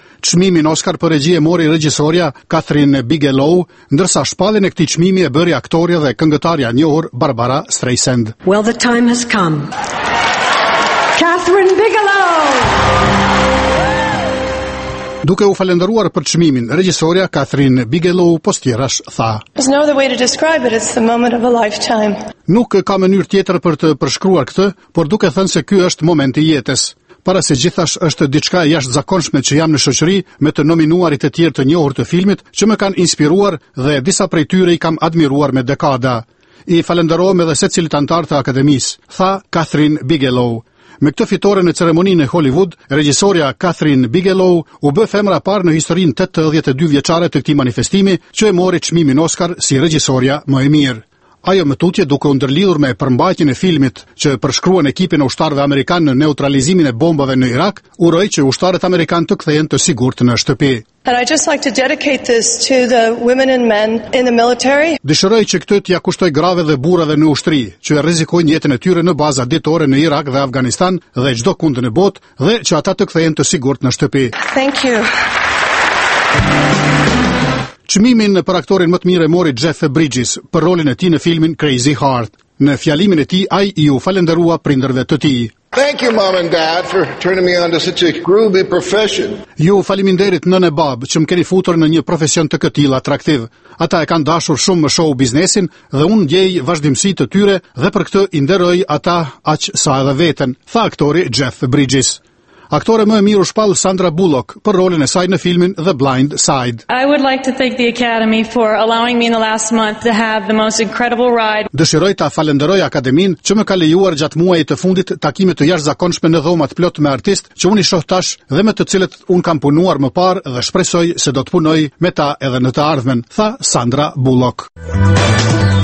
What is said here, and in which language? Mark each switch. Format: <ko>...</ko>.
<sq>Çmimin Oscar për regji e mori regjisorja Catherine Bigelow, ndërsa shpallin e këti çmimi e bëri aktorja dhe këngëtarja njohur Barbara Streisand.</sq> <en>Well, the time has come. Catherine Bigelow!</en> <sq>Duke u falendëruar për çmimin, regjisorja Catherine Bigelow postjerash tha.</sq> <en>There's no other way to describe it, it's the moment of a lifetime.</en> <sq>Nuk ka mënyrë tjetër për të përshkruar këtë, por duke thënë se ky është momenti jetës. Para se gjithash është diçka jashtëzakonshme që jam në shoqëri me të nominuarit e tjerë të njohur të filmit që më kanë inspiruar dhe disa prej tyre I kam admiruar me dekada. I falenderohem edhe secilit antar të akademisë, tha Catherine Bigelow. Me këtë fitore në ceremoninë e Hollywood, regjisorja Catherine Bigelow u bë femra parë në historinë 82 vjeçare të këtij manifestimi që e mori çmimin Oscar si regjisorja më e mirë. Ajo më tutje duke ndërlidhur me përmbajtjen e filmit që përshkruan ekipin e ushtarëve Amerikanë në neutralizimin e bombave në Irak, uroj që ushtarët Amerikanë të kthehen të sigurt në shtëpi.</sq> <en>And I just like to dedicate this to the women and men in the military.</en> <sq>Dëshiroj që këtë t'ja kushtoj grave dhe burrave në ushtri, që rrezikojnë jetën e tyre në baza ditore në Irak dhe Afganistan dhe çdo kund në botë, dhe që ata të kthehen të sigurt në shtëpi.</sq> <en>Thank you.</en> <sq>Çmimin për aktorin më të mirë mori Jeff Bridges për rolin e tij në filmin Crazy Heart. Në fjalimin e tij ai iu falenderua prindërve të tij.</sq> <en>Thank you mom and dad for turning me on to such a groovy profession.</en> <sq>Ju faleminderit nën e bab që më keni futur në një profesion të këtill atraktiv. Ata e kanë dashur shumë show biznesin dhe unë ndjej vazhdimësi të tyre dhe për këtë I nderoj ata aq sa edhe veten, tha aktori Jeff Bridges. Aktore më e mirë u shpall Sandra Bullock për rolin e saj në filmin The Blind Side.</sq> <en>I would like to thank the Academy for allowing me in the last month to have the most incredible ride.</en> <sq>Dëshiroj ta falenderoj Akademin që më ka lejuar gjatë muajit të fundit takime të jashtëzakonshme në dhomat plot me artistë që unë I shoh tash dhe me të cilët unë kam punuar më parë dhe shpresoj se do të punoj me ta edhe në të ardhmen, tha Sandra Bullock.</sq>